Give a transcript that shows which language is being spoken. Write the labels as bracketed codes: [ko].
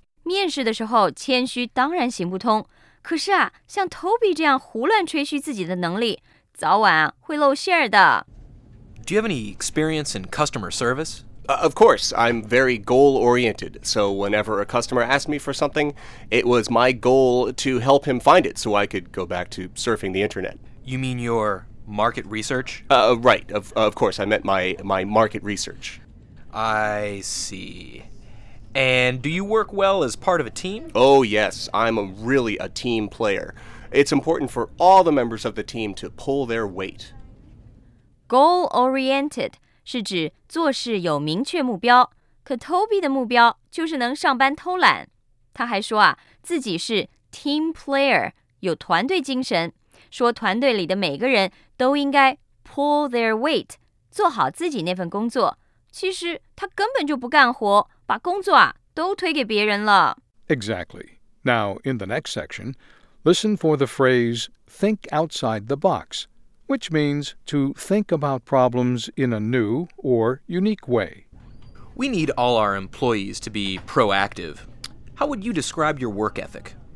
[zh] 面试的时候谦虚当然行不通，可是啊，像 Toby 这样胡乱吹嘘自己的能力，早晚会露馅儿的。 [en] Do you have any experience in customer service? Of course, I'm very goal-oriented. So whenever a customer asked me for something, it was my goal to help him find it so I could go back to surfing the internet. You mean your... Market research? Right. Of course, I meant my market research. I see. And do you work well as part of a team? Oh, yes. I'm really a team player. It's important for all the members of the team to pull their weight. [zh] Goal-oriented 是指做事有明确目标。可 Toby 的目标就是能上班偷懒。他还说啊，自己是 [en] team player, [zh] 有团队精神。说团队里的每个人都应该 [en] pull their weight, [zh] 做好自己那份工作。其实他根本就不干活，把工作啊都推给别人了。 [en] Exactly. Now, in the next section, listen for the phrase think outside the box, which means to think about problems in a new or unique way. We need all our employees to be proactive. How would you describe your work ethic?